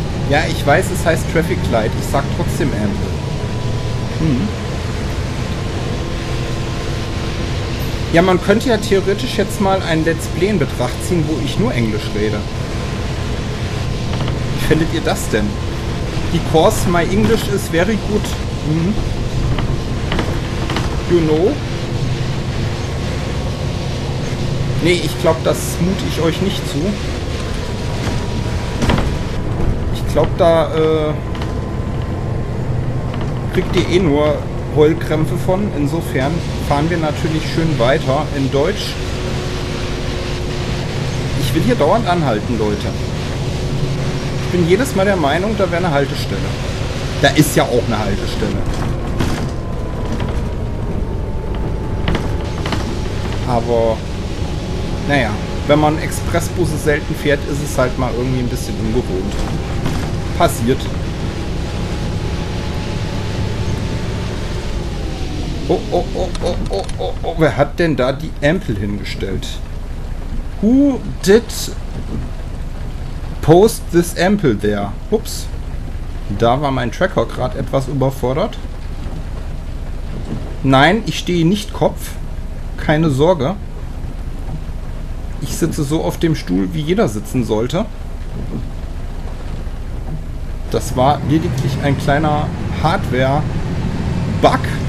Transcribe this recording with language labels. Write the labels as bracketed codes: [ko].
[de] Ja, ich weiß, es heißt Traffic Light. Ich sag trotzdem Ampel. Ja, man könnte ja theoretisch jetzt mal ein Let's Play in Betracht ziehen, wo ich nur Englisch rede. Wie findet ihr das denn? [en] Because my English is very good. You know? [de] Nee, ich glaube, das mute ich euch nicht zu. Ich glaube, da kriegt ihr eh nur Heulkrämpfe von. Insofern fahren wir natürlich schön weiter in Deutsch. Ich will hier dauernd anhalten, Leute. Ich bin jedes Mal der Meinung, da wäre eine Haltestelle. Da ist ja auch eine Haltestelle. Aber naja, wenn man Expressbusse selten fährt, ist es halt mal irgendwie ein bisschen ungewohnt. Passiert. Oh, oh, oh, oh, oh, oh, oh, wer hat denn da die Ampel hingestellt? [en] Who did post this Ampel there? [de] Ups. Da war mein Tracker gerade etwas überfordert. Nein, ich stehe nicht Kopf. Keine Sorge. Ich sitze so auf dem Stuhl, wie jeder sitzen sollte. Das war lediglich ein kleiner Hardware-Bug.